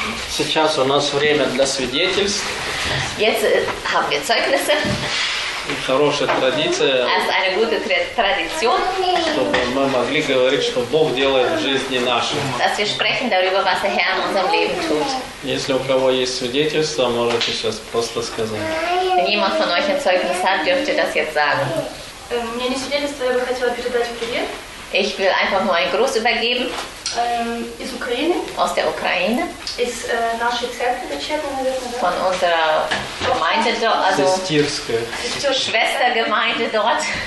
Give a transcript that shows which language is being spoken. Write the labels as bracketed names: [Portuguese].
[Russian] Сейчас у нас время для свидетельств. [German] Jetzt haben wir Zeugnisse. [Russian] Хорошая традиция. [German] Als eine gute Tradition. [Russian] Чтобы мы могли говорить, что Бог делает в жизни нашей. [German] Dass wir sprechen darüber, was der Herr in unserem Leben tut. [Russian] Если у кого есть свидетельство, можете сейчас просто сказать. [German] Wenn jemand von euch ein Zeugnis hat, dürft ihr das jetzt sagen. [Russian] Мне не свидетельство, я бы хотела передать привет. [German] Ich will einfach nur einen Gruß übergeben. [Russian] Из Украины. [German] Aus der Ukraine. [Russian] Из нашей церкви дочерней, наверное. [German] Von unserer Gemeinde dort. Also [Russian] Сестирская. [German] Schwestergemeinde dort.